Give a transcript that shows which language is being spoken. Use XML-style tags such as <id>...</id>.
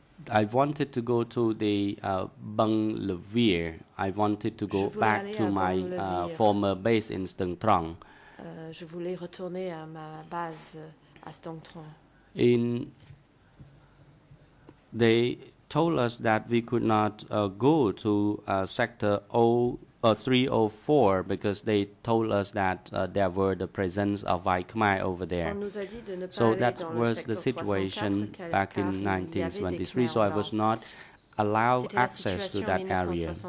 <en>I wanted to go to the Bang Levir. I wanted to go back to my former base in Stung Trong.</en> <fr>Je voulais retourner à ma base à Stung Trong.</fr> <en>They told us that we could not go to sector 304 because they told us that there were the presence of Vai Khmer over there. So that was the situation back in 1923, so I was not allowed access to that area.</en>